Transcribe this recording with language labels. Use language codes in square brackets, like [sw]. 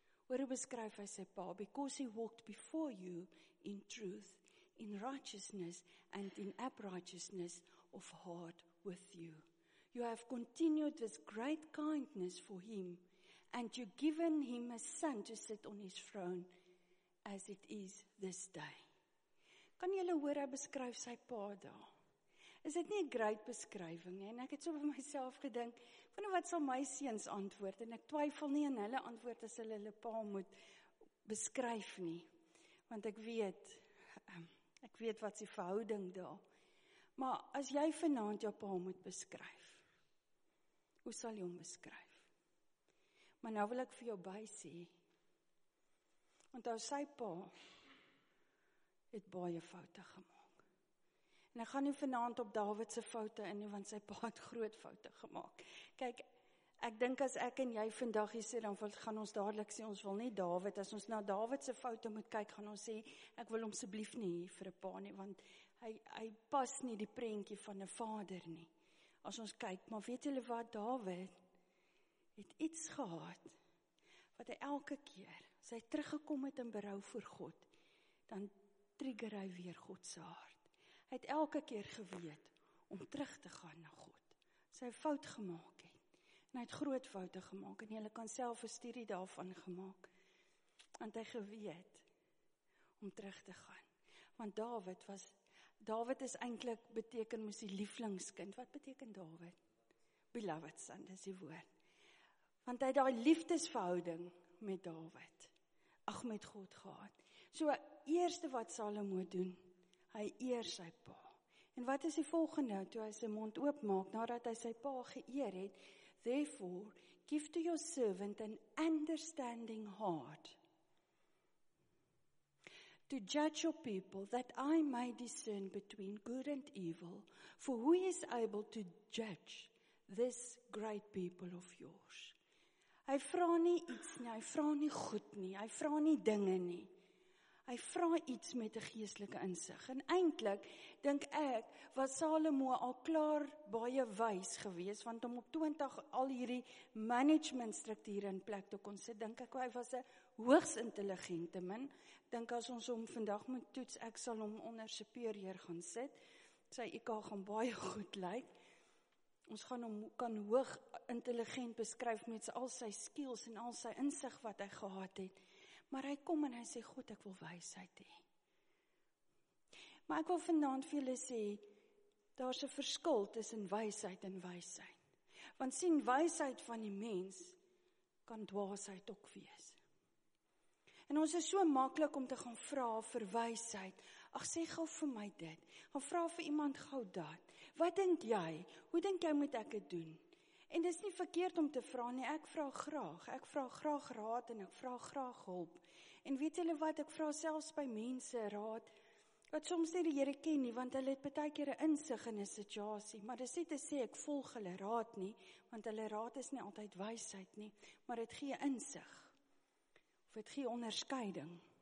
[af] Hoor hoe beskryf hy sy pa, [en] "Because he walked before you in truth, in righteousness and in uprightness of heart with you. You have continued this great kindness for him, and you given him a son to sit on his throne as it is this day." [af] Kan jy hoor hy beskryf sy pa daar? Is dit nie 'n great beskrywing nie? En ek het so by myself gedink, wanneer wat sal my seuns antwoord? En ek twyfel nie in hulle antwoord as hulle hulle pa moet beskryf nie. Want ek weet wat die verhouding daar. Maar as jy vanaand jou pa moet beskryf, hoe sal jy hom beskryf? Maar nou wil ek vir jou by sê, onthou sy pa het baie foute gemaak. En ek gaan nie vanaand op David se foute in nie, want sy pa het groot foute gemaak. Kyk, ek dink as ek en jy vandag hier sê, dan gaan ons dadelik sê, ons wil nie David, as ons na David se foute moet kyk, gaan ons sê, ek wil hom asseblief nie vir 'n pa nie, want hy pas nie die prentjie van 'n vader nie. As ons kyk, maar weet julle wat, David het iets gehad, wat hy elke keer, as hy teruggekom het in berou voor God, dan trigger hy weer God se hart. Hy het elke keer geweet om terug te gaan na God. Sy fout gemaak het. En hy het groot foute gemaak en jy kan self 'n studie daarvan gemaak. Want hy geweet om terug te gaan. Want Dawid is eintlik beteken mos die lieflingskind. Wat beteken Dawid? [en] Beloved son, [af] dis die woord. Want hy het daai liefdesverhouding met Dawid. Ag met God gehad. So eerste wat Salomo doen, hy eer sy pa. En wat is die volgende toe hy sy mond oopmaak nadat hy sy pa geëer het? [en] Therefore, give to your servant an understanding heart to judge your people that I may discern between good and evil. For who is able to judge this great people of yours? [af] Hy vra nie iets nie, hy vra nie goed nie, hy vra nie dinge nie. Hy vra iets met 'n geestelike insig. En eintlik, dink ek, was Salomo al klaar baie wys gewees, want om op 20 al hierdie management strukture in plek te kon sit, dink ek, hy was 'n hoogs intelligente man. Dink as ons hom vandag moet toets, ek sal hom onder superieur gaan sit. Sy IQ gaan baie goed lyk. Ons gaan hom kan hoog intelligent beskryf met al sy skills en al sy insig wat hy gehad het. Maar hy kom en hy sê, God, ek wil wysheid hê. Maar ek wil vandaan vir julle sê, daar's 'n verskil tussen wysheid en wysheid. Want sien, wysheid van die mens kan dwaasheid ook wees. En ons is so maklik om te gaan vra vir wysheid. Ag, sê gou vir my dit. Gaan vra vir iemand gou dat. Wat dink jy? Hoe dink jy moet ek dit doen? En dis nie verkeerd om te vra nie, ek vra graag. Ek vra graag raad en ek vra graag hulp. En weet julle wat, ek vra selfs by mense raad, wat soms nie die Here ken nie, want hulle het baie keer 'n insig in 'n situasie. Maar dis nie te sê ek volg hulle raad nie, want hulle raad is nie altyd wysheid nie. Maar dit gee insig. Of dit gee onderskeiding.